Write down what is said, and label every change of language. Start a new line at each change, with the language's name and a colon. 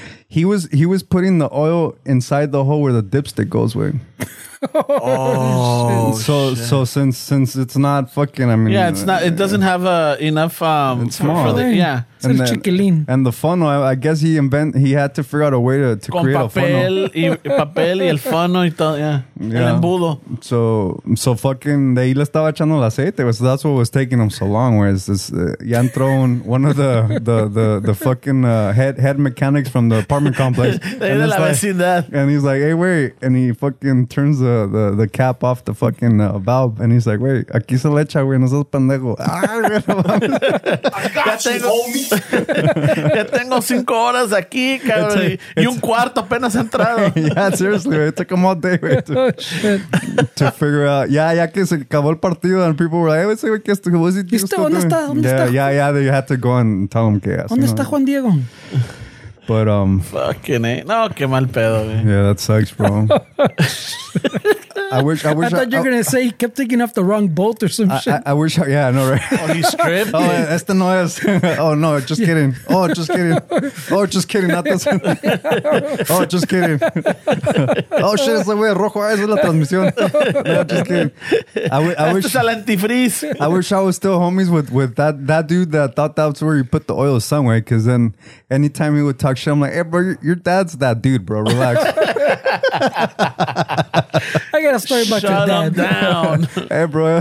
English: He was putting the oil inside the hole where the dipstick goes, with. So since it's not fucking, I mean, yeah, it's not. It doesn't have enough. It's small. And then,
Spanish: chiquilín.
English: And the funnel, I guess he had to figure out a way to
Spanish: con
English: create
Spanish: papel,
English: a funnel.
Spanish: Y papel y el funnel y todo, yeah. El embudo.
English: So fucking,
Spanish: de ahí le estaba echando el aceite.
English: So that's what was taking him so long. Where is this?
Spanish: Ya entró
English: one of the fucking head mechanics from the apartment complex.
Spanish: And, de la
English: like,
Spanish: vecindad.
English: And he's like, hey, wait. And he fucking turns the cap off the fucking valve. And he's like, wait,
Spanish: aquí se le echa, güey. No seas pendejo.
English: I got you, homie.
Spanish: Ya tengo 5 horas aquí, cabrón. Y un cuarto apenas entrado.
English: Yeah, seriously, it took him all day,
Spanish: wey,
English: to figure out.
Spanish: Yeah, ya que se acabó el partido,
English: and people were like, hey,
Spanish: ¿qué es esto? ¿Dónde está?
English: You had to go and tell him
Spanish: que ¿dónde
English: you know?
Spanish: Está Juan Diego?
English: But, fucking,
Spanish: eh? No, qué mal pedo, güey.
English: Yeah, that sucks, bro. I wish I thought you were going to say he kept taking off the wrong bolt or some shit. I wish, yeah, I know, right? Oh, he stripped? Oh, este no es. Oh, no, just kidding. Oh, just kidding. Oh, just kidding. Not this. Oh, just kidding. Oh, shit,
Spanish: ese güey rojo, esa es la transmisión.
English: No, just kidding. I wish.
Spanish: Este es el antifreeze.
English: I wish I was still homies with that dude that thought that was where you put the oil somewhere, because then anytime he would talk shit, I'm like, hey, bro, your dad's that dude, bro. Relax. I got a story about shut your dad. Down. Hey, bro.